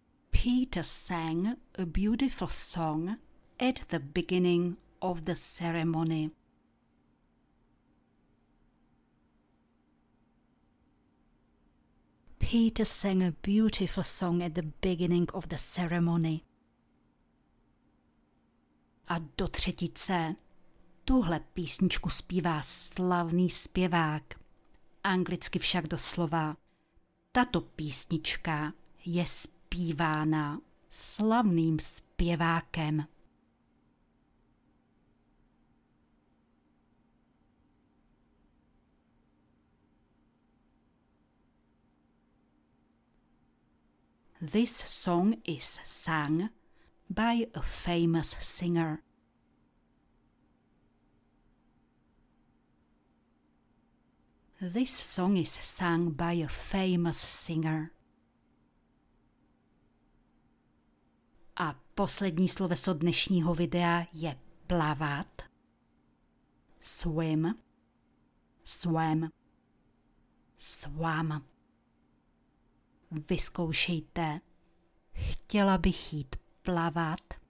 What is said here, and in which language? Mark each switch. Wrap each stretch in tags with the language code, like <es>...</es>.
<en>Peter sang a beautiful song at the beginning of the ceremony. Peter sang a beautiful song at the beginning of the ceremony.</en> <cs>A do třetice, tuhle písničku zpívá slavný zpěvák. Anglicky však doslova, tato písnička je zpívána slavným zpěvákem.</cs> <en>This song is sung by a famous singer. This song is sung by a famous singer.</en> <cs>A poslední sloveso dnešního videa je plavat.</cs> <en>Swim. Swam. Swam.</en> <cs>Vyzkoušejte. Chtěla bych jít plavat.</cs>